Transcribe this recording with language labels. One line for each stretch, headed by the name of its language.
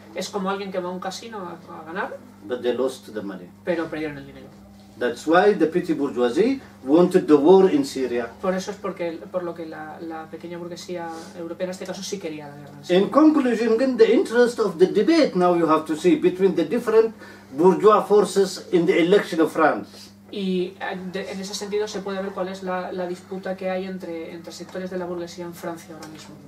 Spanish: Es como alguien que va a un casino a ganar.
English: But they lost the money.
Spanish: Pero perdieron el dinero.
English: That's why the petty bourgeoisie wanted the war in Syria.
Spanish: Por eso es por lo que la pequeña burguesía europea en este caso sí quería la guerra.
English: In conclusion, in the interest of the debate, now you have to see between the different bourgeois forces in the election of France.
Spanish: Y en ese sentido se puede ver cuál es la disputa que hay entre sectores de la burguesía en Francia ahora mismo.